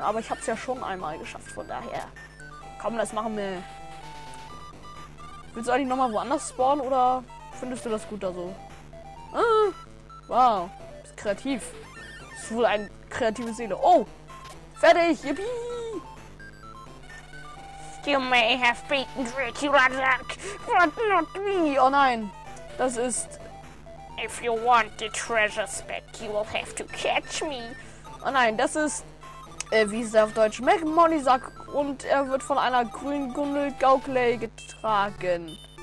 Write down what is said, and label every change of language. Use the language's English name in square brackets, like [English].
[German] Aber ich habe es ja schon einmal geschafft. Von daher. Komm, das machen wir. Willst du eigentlich nochmal woanders spawnen oder findest du das gut da so? Wow. Ist kreativ. Ist wohl eine kreative Seele. Oh! Fertig! Yippie! [English] You may have beaten Dracula Duck, but not me. [German] Oh nein. Das ist. [English] If you want the treasures back, you will have to catch me. [German] Oh nein, das ist. Wie ist er auf Deutsch? McMonisack. Und er wird von einer grünen Gundel Gaukley getragen.